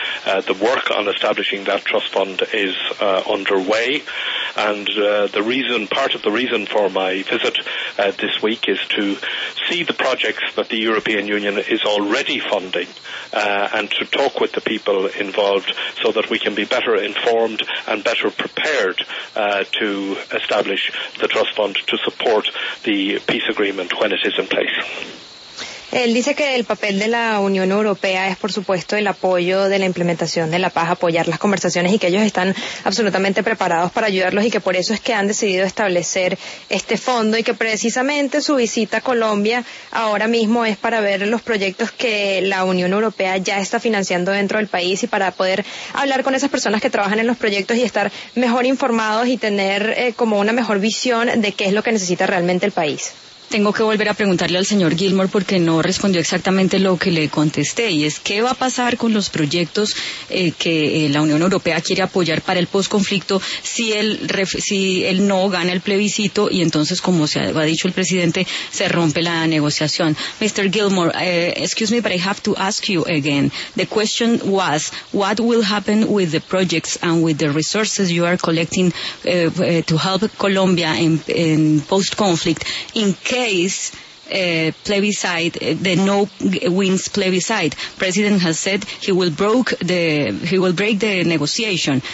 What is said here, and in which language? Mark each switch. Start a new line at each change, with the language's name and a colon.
English: The work on establishing that trust fund is underway, and part of the reason for my visit this week is to see the projects that the European Union is already funding and to talk with the people involved so that we can be better informed and better prepared to establish the trust fund to support the peace agreement when it is in place.
Spanish: Él dice que el papel de la Unión Europea es, por supuesto, el apoyo de la implementación de la paz, apoyar las conversaciones y que ellos están absolutamente preparados para ayudarlos y que por eso es que han decidido establecer este fondo y que precisamente su visita a Colombia ahora mismo es para ver los proyectos que la Unión Europea ya está financiando dentro del país y para poder hablar con esas personas que trabajan en los proyectos y estar mejor informados y tener como una mejor visión de qué es lo que necesita realmente el país. Tengo que volver a preguntarle al señor Gilmore porque no respondió exactamente lo que le contesté y es qué va a pasar con los proyectos que la Unión Europea quiere apoyar para el posconflicto si él no gana el plebiscito y entonces, como se ha dicho el presidente, se rompe la negociación.
English: Mr. Gilmore, excuse me, but I have to ask you again. The question was, what will happen with the projects and with the resources you are collecting to help Colombia in post-conflict? In case the no wins plebiscite, president has said he will break the negotiation.